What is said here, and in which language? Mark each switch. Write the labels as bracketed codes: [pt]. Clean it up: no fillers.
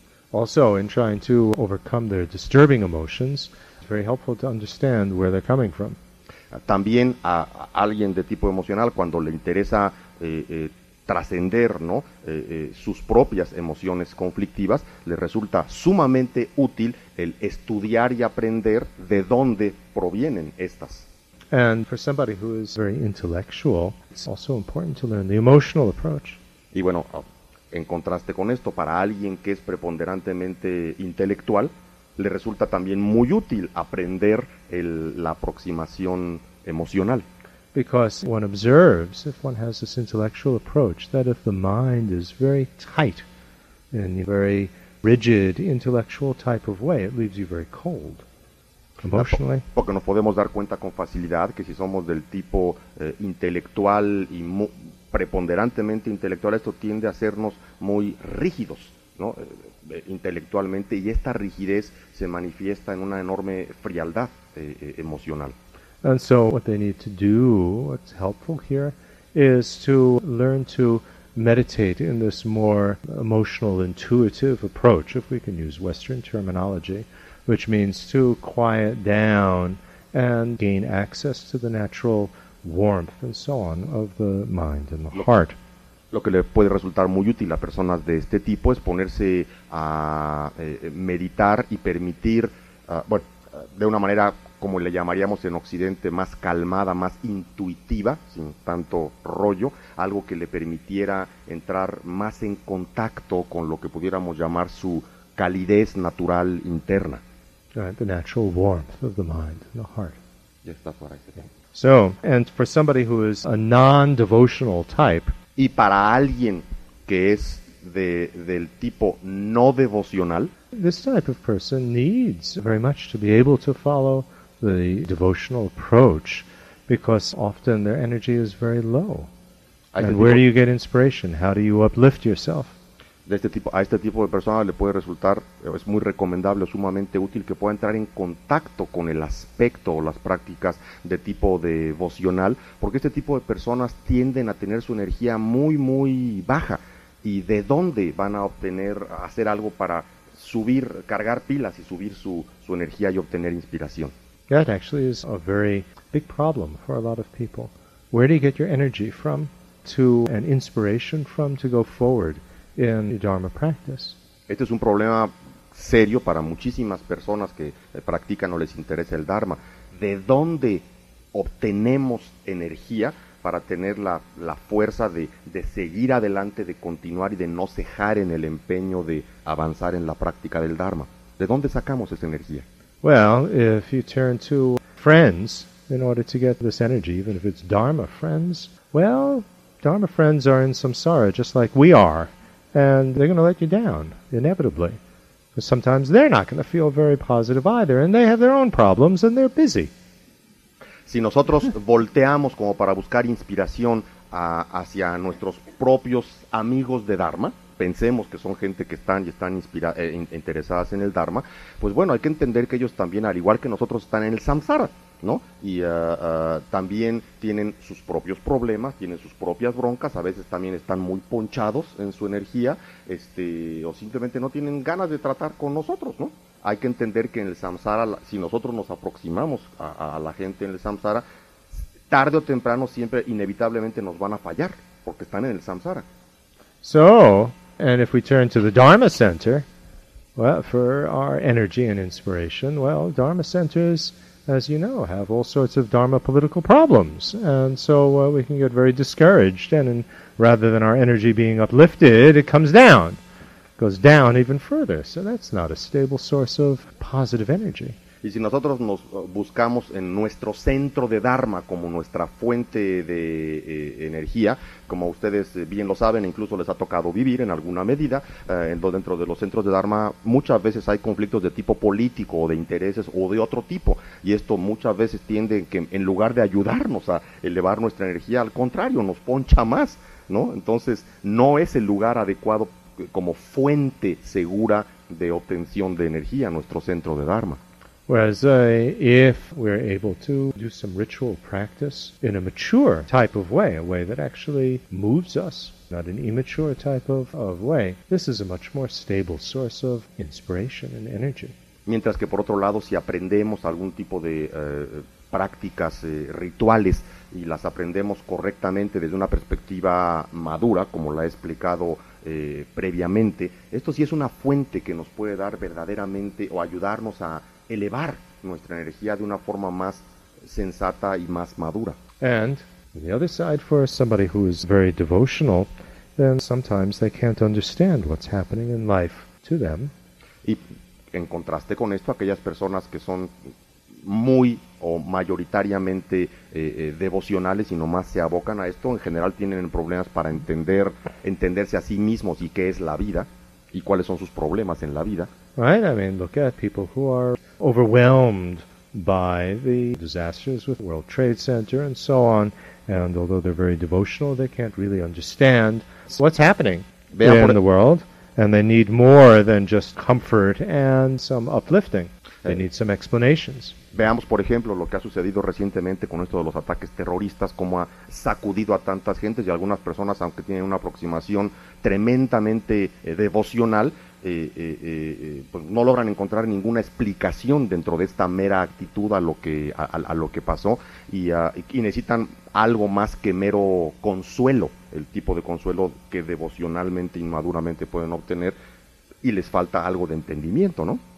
[en] Also, in trying to overcome their disturbing emotions, it's very helpful to understand where they're coming from. [es] También a alguien de tipo emocional, cuando le interesa trascender, ¿no? Sus propias emociones conflictivas, le resulta sumamente útil el estudiar y aprender de dónde provienen estas. [en] And for somebody who is very intellectual, it's also important to learn the emotional approach. [es] Y bueno, en contraste con esto, para alguien que es preponderantemente intelectual, le resulta también muy útil aprender la aproximación emocional. [en] Because one observes, if one has this intellectual approach, that if the mind is very tight in a very rigid intellectual type of way, it leaves you very cold emotionally. [es] Porque nos podemos dar cuenta con facilidad que si somos del tipo intelectual y preponderantemente intelectual, esto tiende a hacernos muy rígidos, ¿no? Intelectualmente, y esta rigidez se manifiesta en una enorme frialdad emocional. [en] And so what they need to do, what's helpful here, is to learn to meditate in this more emotional, intuitive approach, if we can use Western terminology, which means to quiet down and gain access to the natural warmth and so on of the mind and the heart. [es] Lo que le puede resultar muy útil a personas de este tipo es ponerse a meditar y permitir, bueno, de una manera como le llamaríamos en Occidente, más calmada, más intuitiva, sin tanto rollo, algo que le permitiera entrar más en contacto con lo que pudiéramos llamar su calidez natural interna. [en] Right, the natural warmth of the mind and the heart. Yes, that's what I said. So, and for somebody who is a non-devotional type, [es] y para alguien que es del tipo no devocional, [en] this type of person needs very much to be able to follow the devotional approach, because often their energy is very low. And where do you get inspiration? How do you uplift yourself? [es] A este tipo de persona le puede resultar, es muy recomendable, sumamente útil que pueda entrar en contacto con el aspecto o las prácticas de tipo devocional, porque este tipo de personas tienden a tener su energía muy, muy baja. ¿Y de dónde van a obtener, hacer algo para subir, cargar pilas y subir su energía y obtener inspiración? [en] That actually is a very big problem for a lot of people. Where do you get your energy from to an inspiration from to go forward in your dharma practice? [es] Este es un problema serio para muchísimas personas que practican o les interesa el dharma. ¿De dónde obtenemos energía para tener la fuerza de seguir adelante, de continuar y de no cejar en el empeño de avanzar en la práctica del dharma? ¿De dónde sacamos esa energía? [en] Well, if you turn to friends in order to get this energy, even if it's dharma friends, well, dharma friends are in samsara just like we are, and they're going to let you down inevitably. But sometimes they're not going to feel very positive either, and they have their own problems and they're busy. [es] Si nosotros volteamos como para buscar inspiración hacia nuestros propios amigos de dharma, pensemos que son gente que están y están interesadas en el dharma, pues bueno, hay que entender que ellos también, al igual que nosotros, están en el samsara, ¿no? Y también tienen sus propios problemas, tienen sus propias broncas, a veces también están muy ponchados en su energía, o simplemente no tienen ganas de tratar con nosotros, ¿no? Hay que entender que en el samsara, si nosotros nos aproximamos a la gente en el samsara, tarde o temprano siempre inevitablemente nos van a fallar, porque están en el samsara. [en] So, and if we turn to the Dharma Center, well, for our energy and inspiration, well, Dharma Centers, as you know, have all sorts of Dharma political problems. And so we can get very discouraged, and rather than our energy being uplifted, it comes down. Goes down even further. So that's not a stable source of positive energy. [es] Y si nosotros nos buscamos en nuestro centro de Dharma como nuestra fuente de energía, como ustedes bien lo saben, incluso les ha tocado vivir en alguna medida, dentro de los centros de Dharma muchas veces hay conflictos de tipo político o de intereses o de otro tipo, y esto muchas veces tiende que en lugar de ayudarnos a elevar nuestra energía, al contrario, nos poncha más, ¿no? Entonces no es el lugar adecuado como fuente segura de obtención de energía nuestro centro de Dharma. [en] Whereas if we're able to do some ritual practice in a mature type of way, a way that actually moves us, not an immature type of way, this is a much more stable source of inspiration and energy. [es] Mientras que por otro lado, si aprendemos algún tipo de prácticas rituales y las aprendemos correctamente desde una perspectiva madura, como la he explicado previamente, esto sí es una fuente que nos puede dar verdaderamente o ayudarnos a elevar nuestra energía de una forma más sensata y más madura. [en] And on the other side, for somebody who is very devotional, then sometimes they can't understand what's happening in life to them. [es] Y en contraste con esto, aquellas personas que son muy o mayoritariamente devocionales y nomás se abocan a esto, en general tienen problemas para entenderse a sí mismos y qué es la vida y cuáles son sus problemas en la vida. [en] Right, I mean, look at people who are overwhelmed by the disasters with the World Trade Center and so on, and although they're very devotional, they can't really understand what's happening in the world, and they need more than just comfort and some uplifting. They need some explanations. [es] Veamos, por ejemplo, lo que ha sucedido recientemente con esto de los ataques terroristas, cómo ha sacudido a tantas gentes y algunas personas, aunque tienen una aproximación tremendamente devocional, pues no logran encontrar ninguna explicación dentro de esta mera actitud a lo que pasó y necesitan algo más que mero consuelo, el tipo de consuelo que devocionalmente, inmaduramente pueden obtener, y les falta algo de entendimiento, ¿no?